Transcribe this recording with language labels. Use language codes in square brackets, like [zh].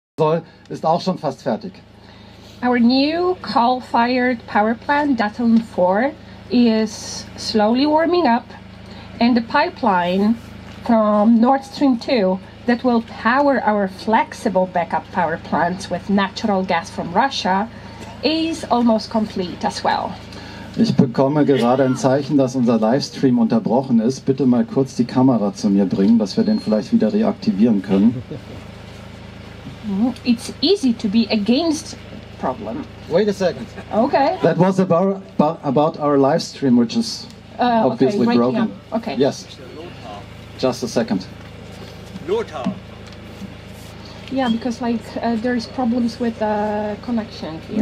[de] soll, ist auch schon fast fertig. [en] Our new coal-fired power plant, Datteln 4, is slowly warming up, and the pipeline from Nord Stream 2 that will power our flexible backup power plants with natural gas from Russia is almost complete as well. [de] Ich bekomme gerade ein Zeichen, dass unser Livestream unterbrochen ist. Bitte mal kurz die Kamera zu mir bringen, dass wir den vielleicht wieder reaktivieren können. [en] It's easy to be against problem. Wait a second. Okay. That was about our live stream, which is obviously okay, broken. Up. Okay. Yes. Just a second. Lothar. Yeah, because like there is problems with the connection here.